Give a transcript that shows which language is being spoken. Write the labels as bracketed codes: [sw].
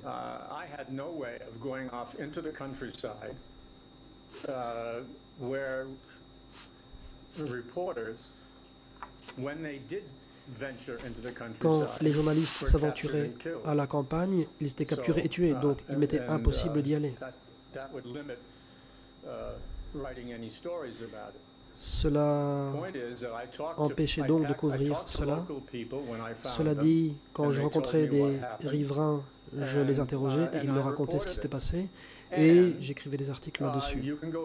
[en] I had no way of going off into the countryside where reporters, when they did venture into the countryside, [fr] quand les journalistes s'aventuraient à la campagne, ils étaient capturés et tués, donc il m'était impossible d'y aller. [en] That would limit writing any stories about it. [fr] Cela empêchait donc de couvrir cela. Cela dit, quand je rencontrais des riverains, je les interrogeais et ils me racontaient ce qui s'était passé et j'écrivais des articles là-dessus.